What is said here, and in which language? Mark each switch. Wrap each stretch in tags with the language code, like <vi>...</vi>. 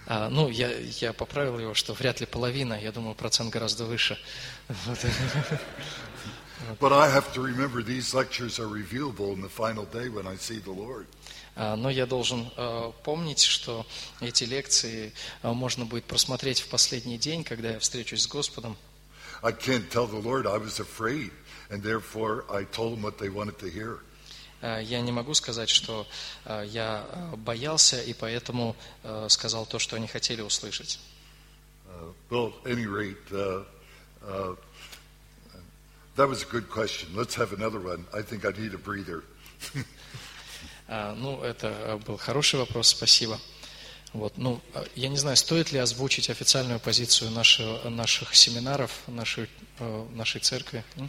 <ru>Ну, я поправил его, что вряд ли половина. Я думаю, процент гораздо выше.</ru> <en>But I have to remember these lectures are revealable in the final day when I see the Lord.</en> <ru>Но я должен помнить, что эти лекции можно будет просмотреть в последний день, когда я встречусь с Господом.</ru> <en>I can't tell the Lord I was afraid, and therefore I told them what they wanted to hear.</en> <ru>Я не могу сказать, что я боялся и поэтому сказал то, что они хотели услышать.</ru> <en>Well, at any rate, that was a good question. Let's have another one. I think I need a breather.</en> <ru>Ну, это был хороший вопрос, спасибо. Вот, ну, я не знаю, стоит ли озвучить официальную позицию наших семинаров, нашей церкви.</ru>